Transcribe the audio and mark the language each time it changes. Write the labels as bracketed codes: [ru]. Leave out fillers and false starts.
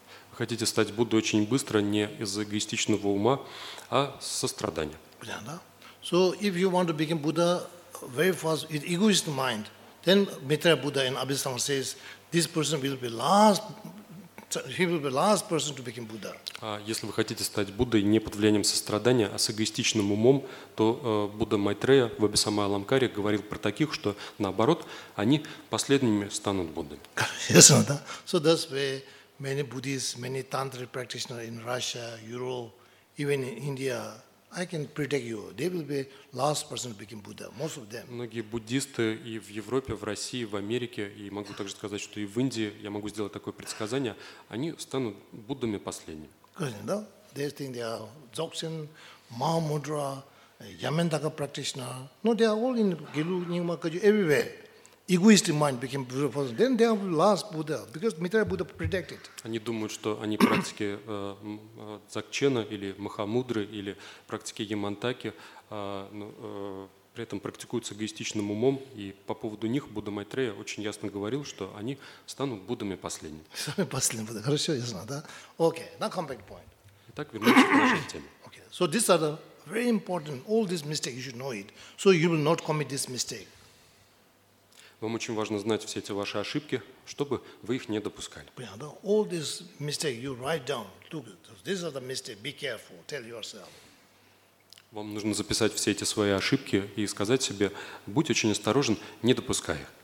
[ru] Вы хотите стать Буддой очень быстро не из-за эгоистичного ума, а сострадания. Понятно, да? [en] So, if you want to become Buddha very fast with egoistic mind, then Maitreya Buddha in Abhisattva says, this person will be last... He will be the last person to become Buddha. [ru] Если вы хотите стать Буддой не под влиянием сострадания, а с эгоистичным умом, то Будда Майтрея в Абхисамая Аламкаре говорил про таких, что наоборот, они последними станут Буддой. [en] Yes, no, [ru] да? [en] So that's why many Buddhists, many tantric practitioners in Russia, Europe, even in India, I can predict you, they will be last person to become Buddha, most of them. [ru] Многие буддисты и в Европе, в России, в Америке, и могу также сказать, что и в Индии, я могу сделать такое предсказание, они станут Буддами последними. Да? [en] They think they are Dzogchen, Mahamudra, Yamantaka practitioner. No, they are all in Gelug, Nyingma, Kagyu, everywhere. Egoistic mind became Buddha first, then they are last Buddha, because Maitreya Buddha predicted. [ru] Они думают, что они практики Дзогчена или Махамудры или практики Ямантаки, при этом практикуют с эгоистичным умом, и по поводу них Будда Майтрея очень ясно говорил, что они станут Буддами последними. Самые последние Будды, хорошо, я знаю, да? [en] Okay, now come back to point. [ru] Итак, вернемся к нашей теме. [en] Okay, so these are the very important, all these mistakes, you should know it, so you will not commit this mistake. [ru] Вам очень важно знать все эти ваши ошибки, чтобы вы их не допускали. Понятно? [en] All these mistakes you write down. Look, these are the mistakes. Be careful. Tell yourself. [ru] Вам нужно записать все эти свои ошибки и сказать себе: будь очень осторожен, не допускай их.